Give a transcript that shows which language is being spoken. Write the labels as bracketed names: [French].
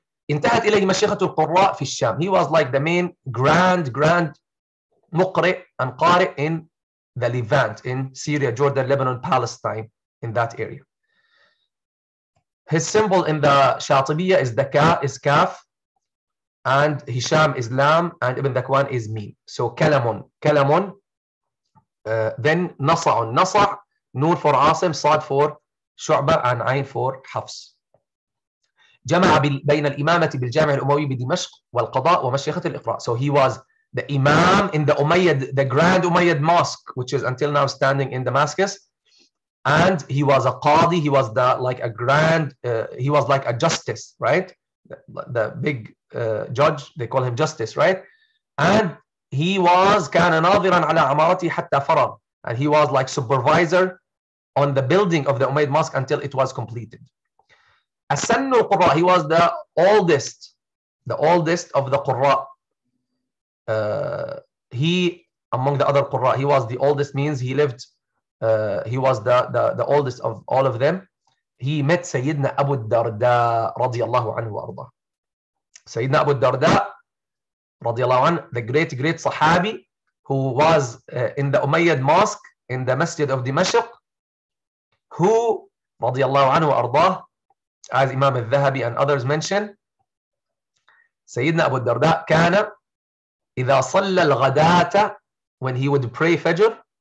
[Arabic] انتهت إليه مشيخة القراء في الشام. [English] He was like the main grand مقرئ and قارئ in the Levant, in Syria, Jordan, Lebanon, Palestine, in that area. His symbol in the Shatibiyya is Kaf, and Hisham is Lam, and Ibn Dakwan is Mim. So Kalamun, then Nasa'un, Nasa', Nur for Asim, Sad for Shu'ba, and Ayn for Hafs. [Arabic] جمع بين الإمامة بالجامع الأموي بدمشق والقضاء ومشيخة الإقراء. [English] So he was the Imam in the Umayyad, the Grand Umayyad Mosque, which is until now standing in Damascus. And he was a Qadi, he was the like a grand, he was like a justice, right? The big judge, they call him justice, right? And he was [Arabic] كان ناظرا على عمارتي حتى فرغ. [English] And he was like supervisor on the building of the Umayyad Mosque until it was completed. [Arabic] أسن القراء, [English] he was the oldest of the قراء. He among the other قراء, he was the oldest, means he lived, he was the oldest of all of them. [Arabic] He met سيدنا أبو الدرداء رضي الله عنه وأرضاه. سيدنا أبو الدرداء رضي الله عنه, [English] the great صحابي, who was in the Umayyad Mosque in the Masjid of Dimashq, who [Arabic] رضي الله عنه وأرضاه, [English] as Imam al-Dhahabi and others mention, Sayyidina Abu Darda [Arabic] kana idha salla al-ghadata, [English] when he would pray Fajr